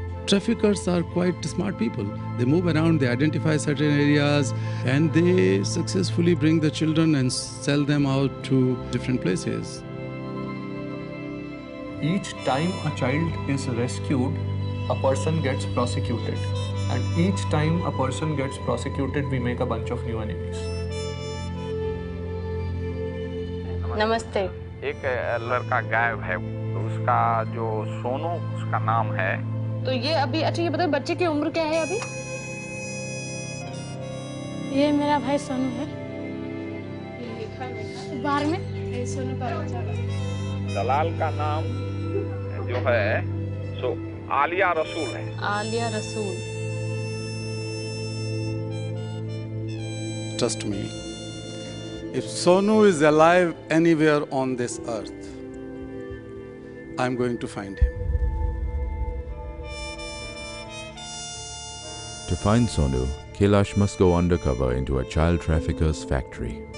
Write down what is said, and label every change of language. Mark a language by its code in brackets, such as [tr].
[en] Traffickers are quite smart people. They move around, they identify certain areas, and they successfully bring the children and sell them out to different places. Each time a child is rescued, a person gets prosecuted. And each time a person gets prosecuted, we make a bunch of new enemies. Namaste. [hi] एक लड़का गायब है उसका जो सोनू उसका नाम है तो ये अभी अच्छा ये बताओ बच्चे की उम्र क्या है अभी ये मेरा भाई सोनू है बार में सोनू का बच्चा दलाल का नाम जो है सो आलिया रसूल है आलिया रसूल [en] Trust me If Sonu is alive anywhere on this earth, I'm going to find him. To find Sonu, Kailash must go undercover into a child trafficker's factory.